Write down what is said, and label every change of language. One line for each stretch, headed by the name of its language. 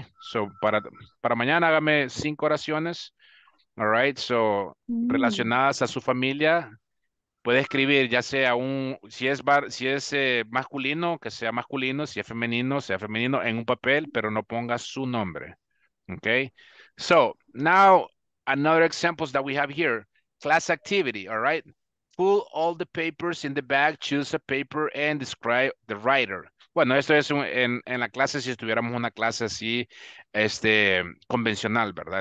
Spanish: So, para mañana hágame 5 oraciones, all right? So, relacionadas a su familia, puede escribir ya sea si es masculino, que sea masculino, si es femenino, sea femenino en un papel, pero no ponga su nombre.
English: Okay? So, now another examples that we have here. Class activity, all right? Pull all the papers in the bag, choose a paper and describe the writer.
Spanish: Bueno, esto es en la clase si estuviéramos una clase así convencional, ¿verdad?